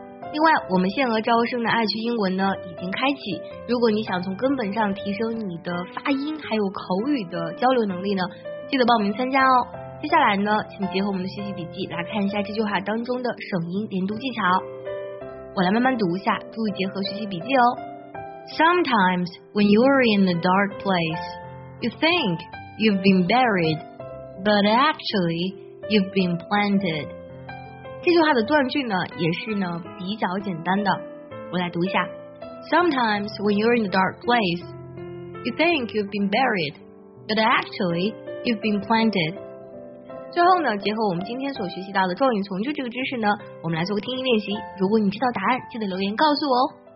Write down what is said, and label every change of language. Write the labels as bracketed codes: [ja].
[zh] 另外，我们限额招生的爱趣英文呢已经开启。如果你想从根本上提升你的发音还有口语的交流能力呢，记得报名参加哦。接下来呢，请结合我们的学习笔记来看一下这句话当中的省音连读技巧。我来慢慢读一下，注意结合学习笔记哦。 [en] Sometimes when you are in a dark place, you think you've been buried, but actually you've been planted. [zh] 这句话的断句呢，也是呢比较简单的。我来读一下 [en] ：Sometimes when you're in a dark place, you think you've been buried, but actually you've been planted. [zh] 最后呢，结合我们今天所学习到的状语从句这个知识呢，我们来做个听力练习。如果你知道答案，记得留言告诉我哦。